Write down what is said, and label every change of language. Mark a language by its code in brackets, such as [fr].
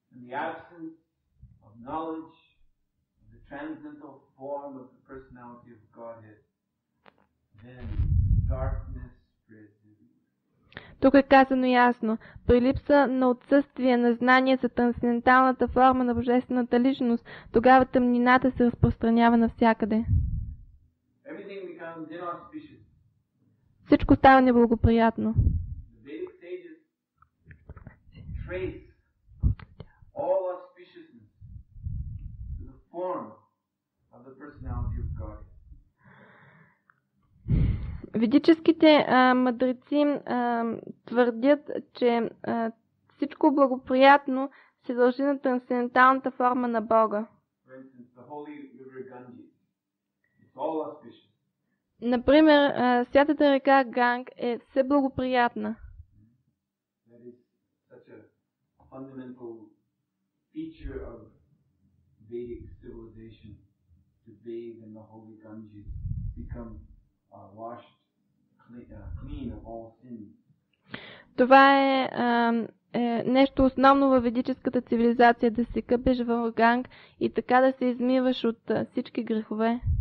[en] The absence of knowledge of the transcendental form of the personality of Godhead, then darkness spreads. [bg] Тук е казано ясно. При липса на отсъствие на знание за трансценденталната форма на Божествената личност, тогава тъмнината се разпространява навсякъде. [en] Everything becomes inauspicious. [bg] Всичко става неблагоприятно. [en] The Vedic sages trace all auspiciousness to the form of the personality of God. [bg] Ведическите мъдреци твърдят, че всичко благоприятно се дължи на трансценденталната форма на Бога. [en] For instance, the holy river Ganges. It's all auspicious. [bg] Например, святата река Ганг е все благоприятна. [en] That is such a fundamental feature of Vedic civilization to bathe in the holy Ganges, become washed clean of all sins. [bg] Това е нещо основно във ведическата цивилизация, да се къпеш в Ганг и така да се измиваш от всички грехове.